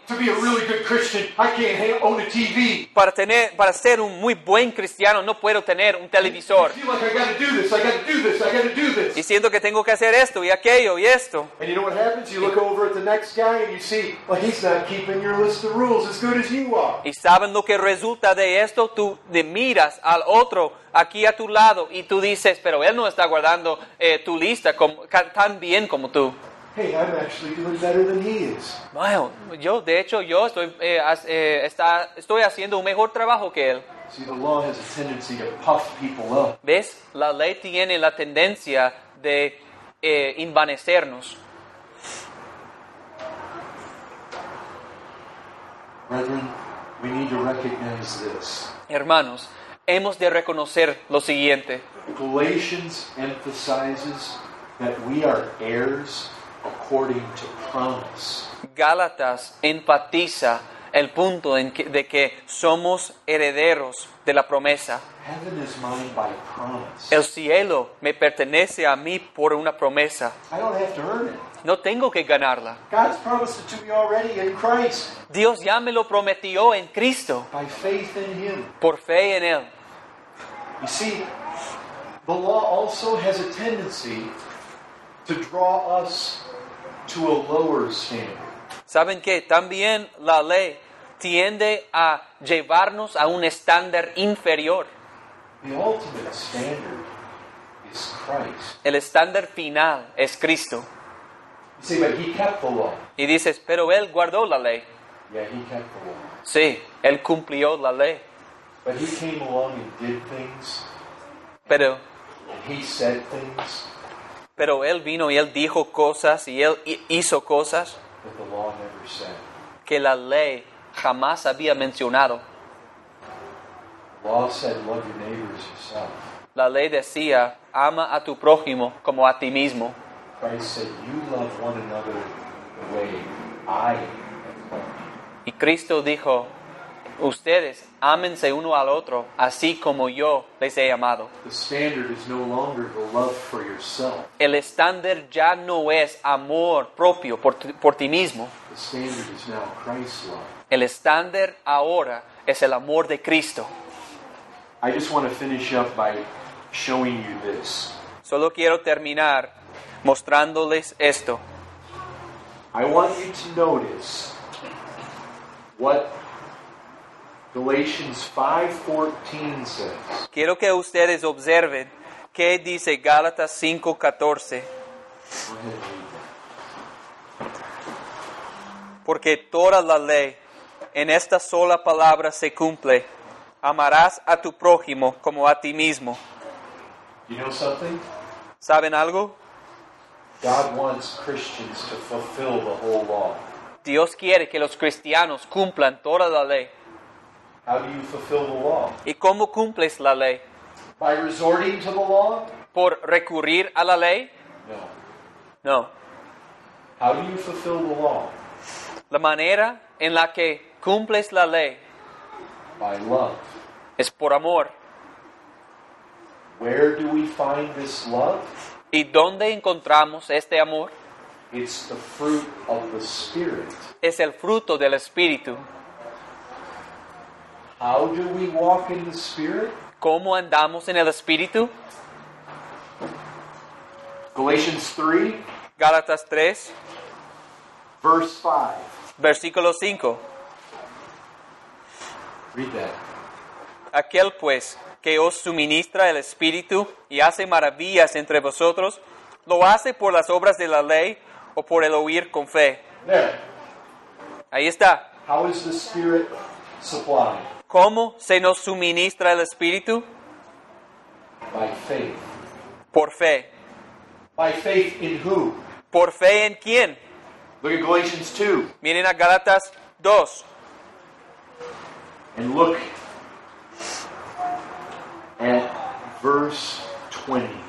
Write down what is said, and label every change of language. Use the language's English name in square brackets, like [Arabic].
[English] To be a really good Christian, I can't own a TV. [Spanish] Para ser un muy buen cristiano, no puedo tener un televisor. [English] I feel like I gotta do this, I gotta do this, I gotta do this. [Spanish] Y siento que tengo que hacer esto y aquello y esto. [English] And you know what happens? You look over at the next guy and you see, well, he's not keeping your list of rules as good as you are. [Spanish] Y saben lo que resulta de esto? Tú le miras al otro aquí a tu lado y tú dices, pero él no está guardando tu lista tan bien como tú. [English] Hey, I'm actually doing better than he is. [Spanish] Wow, yo de hecho yo estoy estoy haciendo un mejor trabajo que él. [English] See, the law has a tendency to puff people up. [Spanish] ¿Ves? La ley tiene la tendencia de envanecernos. [English] Brethren, we need to recognize this. [Spanish] Hermanos, hemos de reconocer lo siguiente. [English] Galatians emphasizes that we are heirs according to promise. [Spanish] Gálatas enfatiza el punto de que somos herederos de la promesa. [English] Heaven is mine by promise. [Spanish] El cielo me pertenece a mí por una promesa. [English] I don't have to earn it. [Spanish] No tengo que ganarla. [English] God's promised it to me already in Christ. [Spanish] Dios ya me lo prometió en Cristo. [English] By faith in him. [Spanish] Por fe en él. [English] You see, the law also has a tendency to draw us to a lower standard. [Spanish] ¿Saben qué? También la ley tiende a llevarnos a un estándar inferior. [English] The ultimate standard is Christ. [Spanish] El estándar final es Cristo. [English] See, but he kept the law. [Spanish] Y dices, pero él guardó la ley. [English] Yeah, he kept the law. [Spanish] Sí, él cumplió la ley. [English] But he came along and did things. [Spanish] Pero, [English] and he said things. [Spanish] Pero él vino y él dijo cosas y él hizo cosas. [English] That the law never said. [Spanish] Que la ley jamás había mencionado. [English] Law said, love your neighbor as yourself. [Spanish] La ley decía, ama a tu prójimo como a ti mismo. [English] Christ said, you love one another the way I have loved. [Spanish] Y Cristo dijo, ustedes, ámense uno al otro, así como yo les he amado. [English] The standard is no longer the love for yourself. [Spanish] El estándar ya no es amor propio por ti mismo. [English] The standard is now Christ's love. [Spanish] El estándar ahora es el amor de Cristo. [English] I just want to finish up by showing you this. [Spanish] Solo quiero terminar mostrándoles esto. [English] I want you to notice what Galatians 5:14 says. [Spanish] Quiero que ustedes observen qué dice Gálatas 5:14. Porque toda la ley en esta sola palabra se cumple. Amarás a tu prójimo como a ti mismo. [English] You know something? [Spanish] ¿Saben algo? [English] God wants Christians to fulfill the whole law. [Spanish] Dios quiere que los cristianos cumplan toda la ley. [English] How do you fulfill the law? [Spanish] ¿Y cómo cumples la ley? [English] By resorting to the law? [Spanish] ¿Por recurrir a la ley? [English] No. [Spanish] No. [English] How do you fulfill the law? [Spanish] La manera en la que cumples la ley. [English] By love. [Spanish] Es por amor. [English] Where do we find this love? [Spanish] ¿Y dónde encontramos este amor? [English] It's the fruit of the Spirit. [Spanish] Es el fruto del Espíritu. [English] How do we walk in the Spirit? [Spanish] ¿Cómo andamos en el Espíritu? [English] Galatians 3. [Spanish] Gálatas 3. [English] Verse 5. [Spanish] Versículo 5. [English] Read that. [Spanish] Aquel pues que os suministra el Espíritu y hace maravillas entre vosotros, ¿lo hace por las obras de la ley o por el oír con fe? [English] There. [Spanish] Ahí está. [English] How is the Spirit supplied? [Spanish] ¿Cómo se nos suministra el Espíritu? [English] By faith. [Spanish] Por fe. [English] By faith in who? [Spanish] ¿Por fe en quién? [English] Look at Galatians 2. [Spanish] Miren a Gálatas 2. [English] And look at verse 20.